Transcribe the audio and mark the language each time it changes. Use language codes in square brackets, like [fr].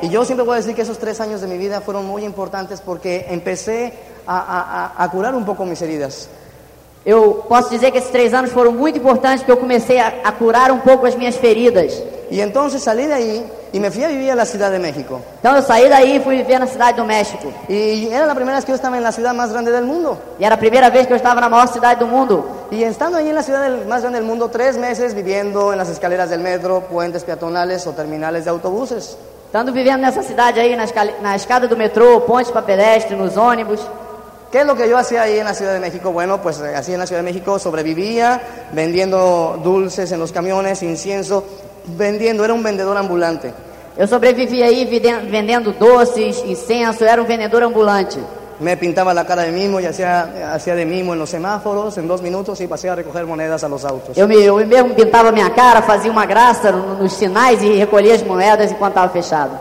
[es] Y yo siempre voy a decir que esos 3 años de mi vida fueron muy importantes porque empecé a curar un poco mis heridas. [pt] Eu posso dizer que esses 3 anos foram muito importantes porque eu comecei a curar um pouco as minhas feridas. E então eu saí daí e me fui a viver na cidade de México. Então eu saí daí e fui viver na cidade do México. E era a primeira vez que eu estava na cidade mais grande do mundo. E era a primeira vez que eu estava na maior cidade do mundo. E estando aí na cidade mais grande do mundo, 3 meses vivendo nas escaleras do metrô, [es] puentes peatonais [pt] ou terminais de autobuses. Estando vivendo nessa cidade aí, na escada do metrô, pontes para pedestre, nos ônibus. [es] ¿Qué es lo que yo hacía ahí en la Ciudad de México? Bueno, pues así en la Ciudad de México sobrevivía, vendiendo dulces en los camiones, incienso, vendiendo, era un vendedor ambulante. [pt] Eu sobrevivia aí vendendo doces, incenso, era um vendedor ambulante. Me pintava a cara de mimo e fazia de mimo nos semáforos, em dois minutos, e passei a recolher monedas aos autos. Eu mesmo pintava minha cara, fazia uma graça nos sinais e recolhia as moedas enquanto estava fechado.